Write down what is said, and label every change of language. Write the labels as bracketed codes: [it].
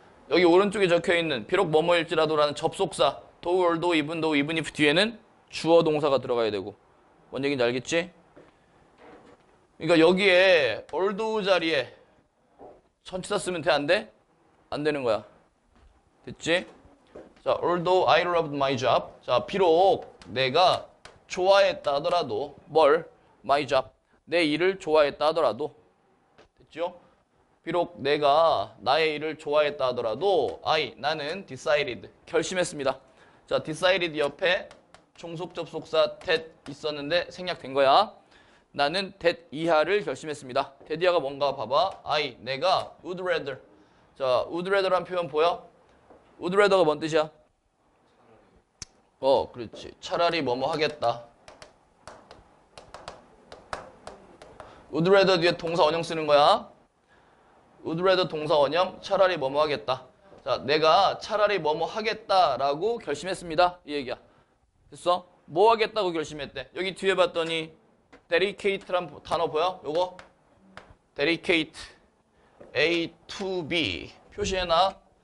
[ko] 여기 오른쪽에 적혀 있는 비록 뭐뭐일지라도라는 접속사 도울도 이븐도 이븐이프 뒤에는 주어 동사가 들어가야 되고. 뭔 얘기인지 알겠지? 그러니까 여기에 얼도 자리에 전치사 쓰면 돼안 돼? 안 되는 거야. 됐지? [en] 자, although I loved my job. [ko] 자, 비록 내가 좋아했다 하더라도 뭘? [en] My job. [ko] 내 일을 좋아했다 하더라도. 됐죠? 비록 내가 나의 일을 좋아했다 하더라도 나는 decided. 결심했습니다. 자, decided 옆에 종속 접속사 that 있었는데 생략된 거야. 나는 that 이하를 결심했습니다. that이하가 뭔가 봐봐. 내가 [en] would rather. [ko] 자, would rather란 표현 보여? would rather가 뭔 뜻이야? 그렇지. 차라리 뭐뭐 하겠다. would rather 뒤에 동사 원형 쓰는 거야. would rather 동사 원형, 차라리 뭐뭐 하겠다. 자, 내가 차라리 뭐뭐 하겠다라고 결심했습니다. 이 얘기야. 됐어? 뭐 하겠다고 결심했대. 여기 뒤에 봤더니 dedicate란 단어 보여? 요거? dedicate A to B 표시해놔.